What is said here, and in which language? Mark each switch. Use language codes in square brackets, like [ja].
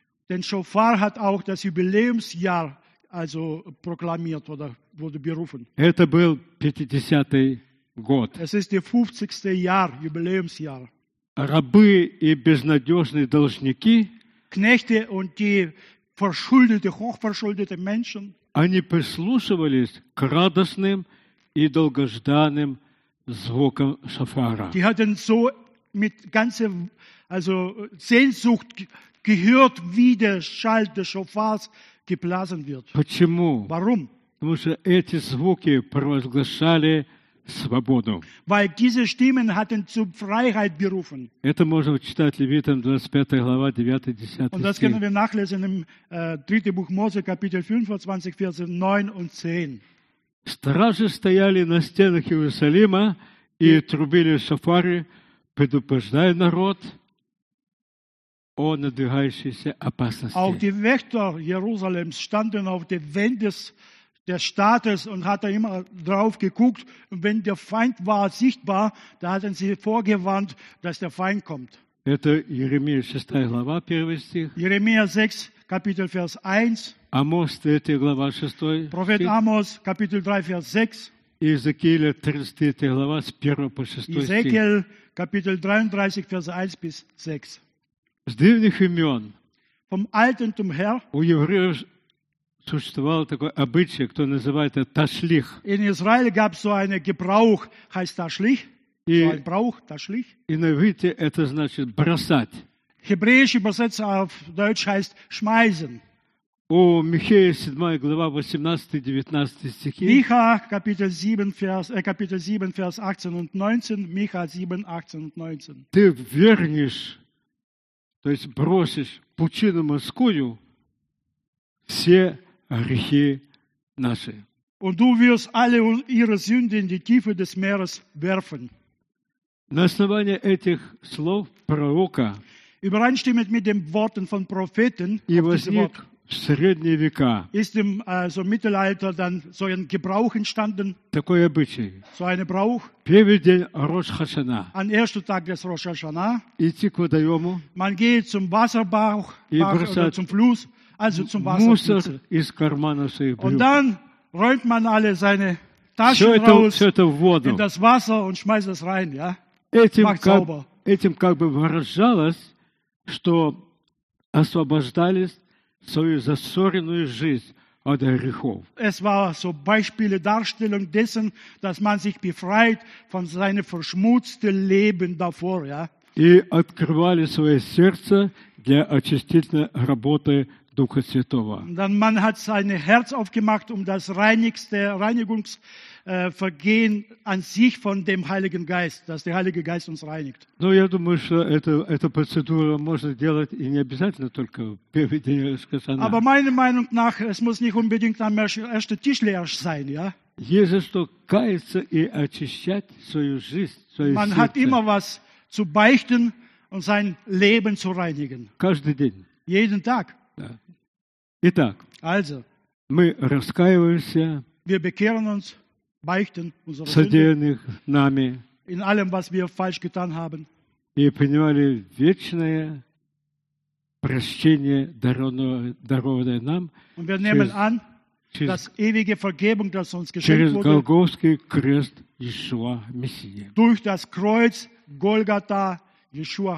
[de] Denn Schofar hat auch das Jubiläumsjahr also proklamiert oder wurde berufen. [ru] Это был 50-й год. [de] Es ist der 50. Jahr, Jubiläumsjahr. [ru] Рабы и безнадежные должники, [de] Knechte und die verschuldete, hochverschuldete Menschen, [ru] они прислушивались к радостным и долгожданным звукам шафара. [de] Die hatten so mit ganzer also Sehnsucht gehört, wie der Schall des Schofars geblasen wird. [ru] Почему? [de] Warum? [ru] Потому что эти звуки провозглашали свободу. [de] Weil diese Stimmen hatten zur Freiheit berufen. [ru] Это можно читать Левитам 25 глава 9-10 стих. [de] Und das können wir nachlesen im 3. Buch Mose, Kapitel 25, Verse 9 und 10. [ru] Стражи стояли на стенах Иерусалима и трубили шафары, предупреждая народ о надвигающейся опасности. [de] Auch die Wächter Jerusalems standen auf den Wänden des Staates und hatten immer drauf geguckt. Und wenn der Feind war sichtbar, da hatten sie vorgewarnt, dass der Feind kommt. [ru] Это Иеремия 6 глава, 1 стих. [de] Иеремия 6, Kapitel Vers 1. [ru] Амос 3 глава, 6. [de] Prophet Amos, Kapitel 3, Vers 6. [ru] Иезекииля 33 глава, с 1 по 6 стих. [de] Иезекиил, Kapitel 33, Vers 1 bis 6. [ru] С древних имен. [de] Vom Alten zum Herr. [ru] У евреев существовал такой обычай, кто называет это Ташлих. [de] In Israel gab es so einen Gebrauch, heißt Ташлих. И, so ein Brauch, Ташлих. [ru] И на иврите это значит бросать. [de] Hebräisch übersetzt auf Deutsch heißt schmeißen. [ru] У Михея 7 глава 18-19 стихи. [de] Micha, Kapitel 7, Vers, Kapitel 7, Vers 18 und 19. Micha 7, 18 und 19. [ru] Ты вернешь, то есть бросишь пучину морскую все грехи наши. [de] Und du wirst alle ihre Sünden in die Tiefe des Meeres werfen. [ru] На основании этих слов пророка [de] übereinstimmend mit den Worten von Propheten [ru] и возник в средние века [de] ist im also Mittelalter dann so ein Gebrauch entstanden, [ru] такой обычай, [de] so ein Brauch, [ru] первый день Рош Хашана, [de] an ersten Tag des Rosh Hashanah, [ru] идти к водоему, [de] man geht zum Wasserbach, [ru] и бросать [de] zum Fluss, also zum [ru] Wasser, мусор из кармана своих брюк, [de] und dann räumt man alle seine Taschen raus, [ru] все это в воду, [de] in das Wasser und schmeißt es rein, ja, [ru] этим как бы выражалось, что освобождались свою засоренную жизнь от грехов. [de] Es war so Beispiele Darstellung dessen, dass man sich befreit von seinem verschmutzten Leben davor, ja? [ru] И открывали свое сердце для очистительной работы Духа Святого. [de] Dann man hat sein Herz aufgemacht, um das reinigste Reinigungsvergehen an sich von dem Heiligen Geist, dass der Heilige Geist uns reinigt. [ru] Ну, я думаю, что эта процедура можно делать и не обязательно только в первый день Рош Хашана. [de] Aber meiner Meinung nach, es muss nicht unbedingt am ersten Tischler sein, ja? [ru] Есть за что каяться и очищать свою жизнь, свое [de] сердце. Man hat immer was zu beichten und sein Leben zu reinigen. [ru] Каждый день. [de] Jeden Tag. [ru] Да. Итак. [de] Also. [ru] Мы раскаиваемся. [de] Wir bekehren uns, beichten unsere [ru] содеянных [de] Sünde, [ru] нами. [de] In allem, was wir falsch getan haben. [ru] И принимали вечное прощение, дарованное нам. [de] Und wir nehmen an, das ewige Vergebung, das uns geschenkt wurde, durch das Kreuz Golgatha Yeshua